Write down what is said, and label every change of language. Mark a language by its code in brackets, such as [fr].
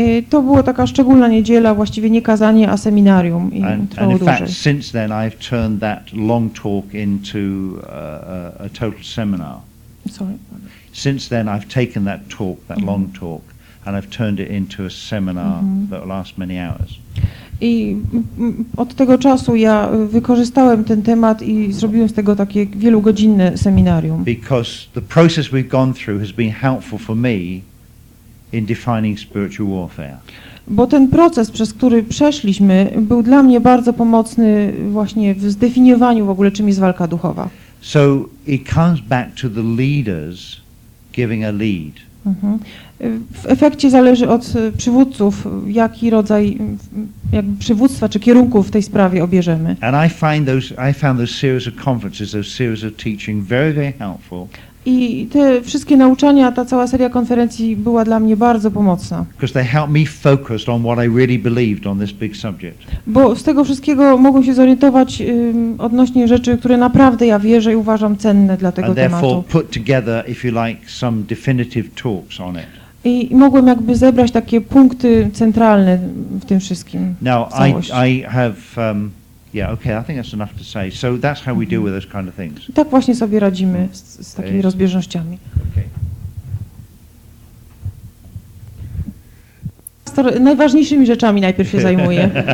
[pl] To była taka szczególna niedziela, właściwie nie kazanie, a seminarium, i trwało dłużej. [en] And in fact, since then I've turned that long talk into a total seminar. Sorry. Since then I've taken that talk, that long talk, and I've turned it into a seminar that lasts many hours. [pl] I od tego czasu ja wykorzystałem ten temat i zrobiłem z tego takie wielugodzinne seminarium. [en] Because the process we've gone through has been helpful for me in defining spiritual warfare. [pl] Bo ten proces, przez który przeszliśmy, był dla mnie bardzo pomocny właśnie w zdefiniowaniu w ogóle, czym jest walka duchowa. [en] So it comes back to the leaders giving a lead. [pl] W efekcie zależy od przywódców, jaki rodzaj jakby przywództwa czy kierunku w tej sprawie obierzemy. [en] And I find those, I found those series of conferences, those series of teaching very, very helpful. [pl] I te wszystkie nauczania, ta cała seria konferencji była dla mnie bardzo pomocna. [en] Because they helped me focus on what I really believed on this big subject. [pl] Bo z tego wszystkiego mogłem się zorientować odnośnie rzeczy, które naprawdę ja wierzę i uważam cenne dla tego [en] and [pl] tematu. [en] And therefore put together, if you like, some definitive talks on it. [pl] I mogłem jakby zebrać takie punkty centralne w tym wszystkim. [en] Now I have yeah, okay, I think that's enough to say. So that's how we deal with those kind of things. [pl] Tak właśnie sobie radzimy z takimi rozbieżnościami. [en] Okay. [pl] Pastor najważniejszymi rzeczami najpierw się zajmuje.